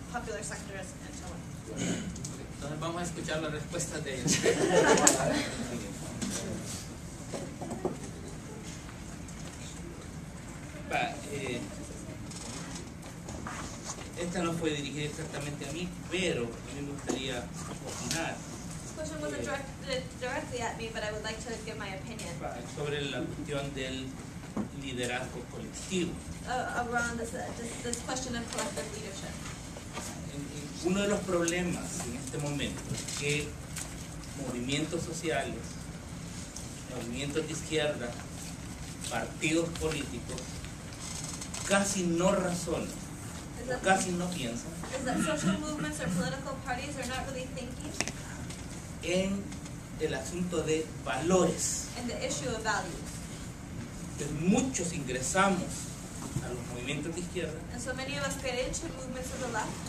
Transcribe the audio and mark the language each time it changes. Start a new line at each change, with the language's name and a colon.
English: the political struggle and one of popular sectors and so on.
Spanish: Entonces vamos a escuchar la respuesta de ellos. Esta no fue dirigida exactamente a mí, pero a mí me gustaría opinar.
English: This question wasn't directly at me, but I would like to give my opinion.
Spanish: Sobre la cuestión del liderazgo colectivo.
English: Around this question of collective leadership.
Spanish: Uno de los problemas en este momento es que movimientos sociales, movimientos de izquierda, partidos políticos, casi no razonan, casi no piensan.
English: Is that social movements or political parties are not really thinking?
Spanish: En el asunto de valores.
English: In the issue of values.
Spanish: Entonces muchos ingresamos a los movimientos de izquierda.
English: And so many of us get into movements of the left.